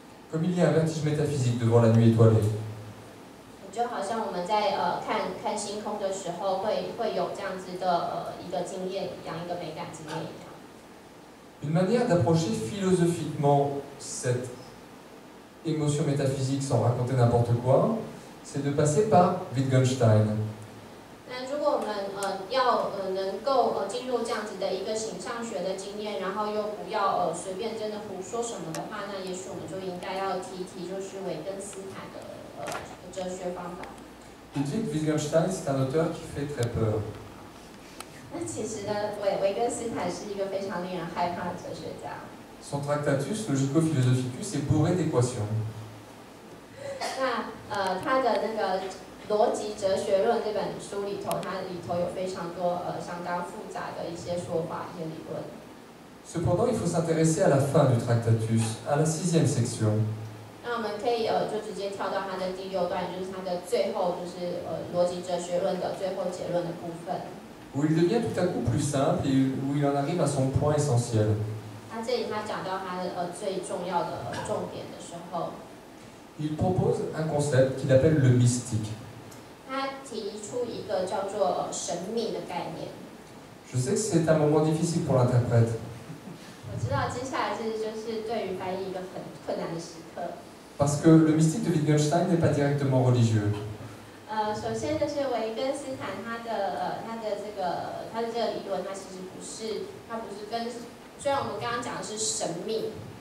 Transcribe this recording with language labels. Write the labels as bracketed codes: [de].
[fr] Comme il y a un vertige métaphysique devant la nuit étoilée. [zh] 就好像我们在看星空的时候，会有这样子的一个经验一样，一个美感经验一样。 [fr] Une manière d'approcher philosophiquement cette émotion métaphysique sans raconter n'importe quoi, c'est de passer par Wittgenstein. [zh] 那如果我们要能够进入这样子的一个形上学的经验，然后又不要随便真的胡说什么的话，那也许我们就应该要提就是维根斯坦的哲学方法。 [fr] Ludwig Wittgenstein est un auteur qui fait très peur。 [zh] 那其实呢，维根斯坦是一个非常令人害怕的哲学家。 [fr] Son tractatus logico-philosophicus est bourré d'équations. [zh] 那他的那个《逻辑哲学论》这本书里头，它里头有非常多相当复杂的一些说法、一些理论。 [fr] Cependant, il faut s'intéresser à la fin du tractatus, à la sixième section. [zh] 那我们可以就直接跳到它的第六段，就是它的最后，就是《逻辑哲学论》的最后结论的部分。 [fr] Où il devient tout à coup plus simple et où il en arrive à son point essentiel. [zh] 那这里他讲到他最重要的重点的时候。 [fr] Il propose un concept qu'il appelle le mystique. [zh] 他提出一个叫做神秘的概念。 [fr] Je sais que c'est un moment difficile pour l'interprète. [zh] 我知道接下来这就是对于翻译一个很困难的时刻。 [fr] Parce que le mystique de Wittgenstein n'est pas directement religieux. [zh] 首先就是维根斯坦他的这个理论，他不是跟，虽然我们刚刚讲的是神秘。